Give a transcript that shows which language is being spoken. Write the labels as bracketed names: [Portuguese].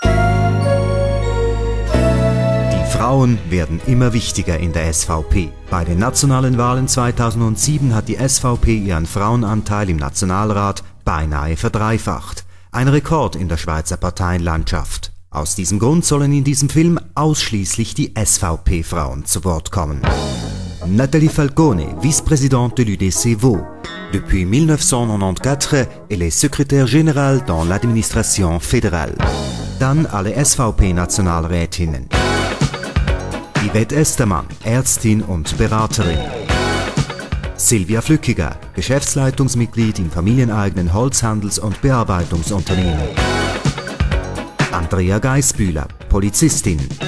[German] Die Frauen werden immer wichtiger in der SVP. Bei den nationalen Wahlen 2007 hat die SVP ihren Frauenanteil im Nationalrat beinahe verdreifacht. Ein Rekord in der Schweizer Parteienlandschaft. Aus diesem Grund sollen in diesem Film ausschließlich die SVP-Frauen zu Wort kommen. [French] Nathalie Falcone, vice-présidente du DC Vaud. Depuis 1994, elle est secrétaire générale dans l'administration fédérale. [German] Dann alle SVP-Nationalrätinnen. Yvette Estermann, Ärztin und Beraterin. Silvia Flückiger, Geschäftsleitungsmitglied im familieneigenen Holzhandels- und Bearbeitungsunternehmen. Andrea Geisbühler, Polizistin.